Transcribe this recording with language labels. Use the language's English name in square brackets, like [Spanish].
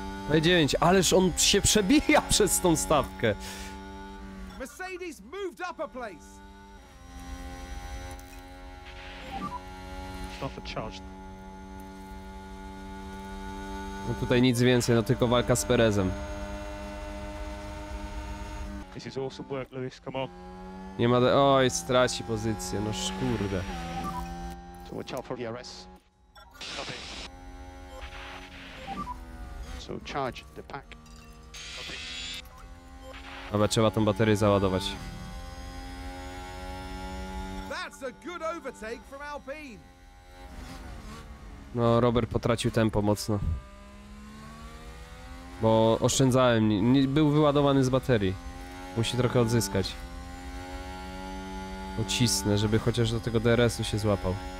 [Polish] P9, ależ on się przebija przez tą stawkę. [English] Mercedes moved up a place. [Polish] No tutaj nic więcej, no tylko walka z Perezem. [English] This is awesome work, Lewis. Come on. [Polish] Nie ma. Oj, straci pozycję. No szkurde. [English] So watch out for DRS. So charge the pack. [Polish] Dobra, trzeba tą baterię załadować. [English] That's a good overtake from Alpine. [Polish] No, Robert potracił tempo mocno. Bo oszczędzałem, nie był wyładowany z baterii. Musi trochę odzyskać. Ucisnę, żeby chociaż do tego DRS-u się złapał.